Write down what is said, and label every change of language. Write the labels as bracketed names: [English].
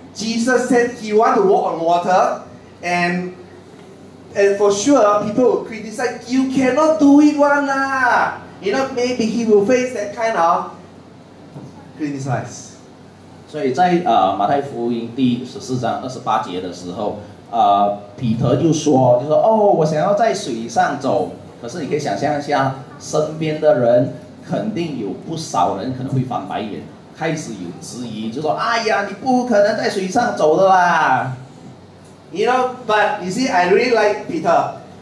[English] Jesus said he want to walk on water, and for sure people will criticize. You cannot do it, one lah. You know, maybe he will face that kind of criticize. [Chinese] 所以在马太福音第14章28节的时候，彼得就说，我想要在水上走。可是你可以想象一下，身边的人肯定有不少人可能会翻白眼。开始有质疑，就说：“哎呀，你不可能在水上走的啦！” [English] You know, but you see, I really like Peter.